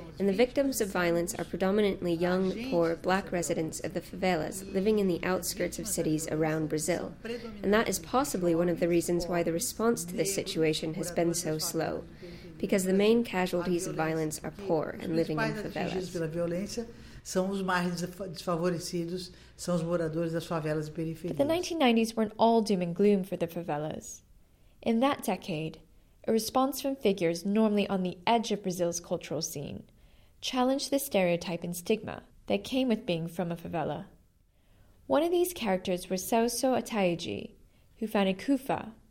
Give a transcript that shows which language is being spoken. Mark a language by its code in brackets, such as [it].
[en] And the victims of violence are predominantly young, poor, black residents of the favelas living in the outskirts of cities around Brazil. And that is possibly one of the reasons why the response to this situation has been so slow, because the main casualties of violence are poor and living in favelas. [pt] São os mais desfavorecidos, são os moradores das favelas e periferias. [en] But the 1990s weren't all doom and gloom for the favelas. In that decade, a response from figures normally on the edge of Brazil's cultural scene challenged the stereotype and stigma that came with being from a favela. One of these characters was Celso Ataiji, who founded CUFA.